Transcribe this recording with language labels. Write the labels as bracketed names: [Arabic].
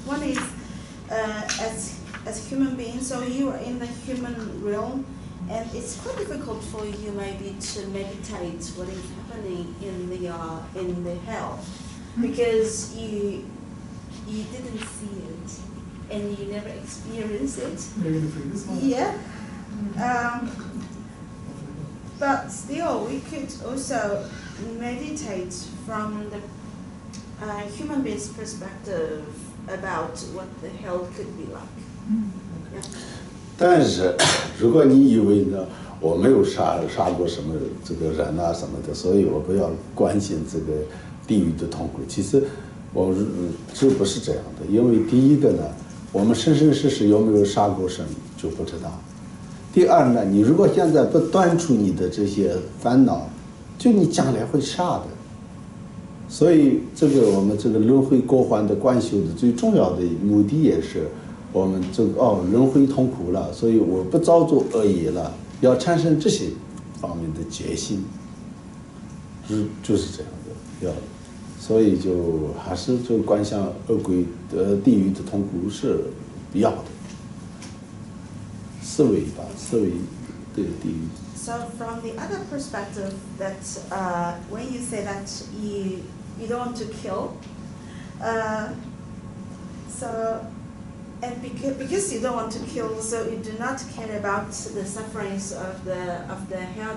[English] One is as human beings, so you are in the human realm, and it's quite difficult for you maybe to meditate what is happening in the hell, because you didn't see it and you never experienced it. But still, we could also meditate from the human being's perspective about what the hell could be like. Yeah. [Chinese] 但是，如果你以为呢，我没有杀过什么这个人啊什么的，所以我不要关心这个地狱的痛苦。其实，我这不是这样的，因为第一个呢，我们生生世世有没有杀过什么就不知道。第二呢，你如果现在不断除你的这些烦恼，就你将来会杀的。所以这个我们这个轮回过患的观修的最重要的目的也是我们这个轮回痛苦了，所以我不造作恶业了，要产生这些方面的决心，就是这样的。要，所以就还是就观想恶鬼的地狱的痛苦是必要的。思维吧，思维对地狱。 [English] So from the other perspective, that when you say that you don't want to kill, and because you don't want to kill, so you do not care about the sufferings of the hell.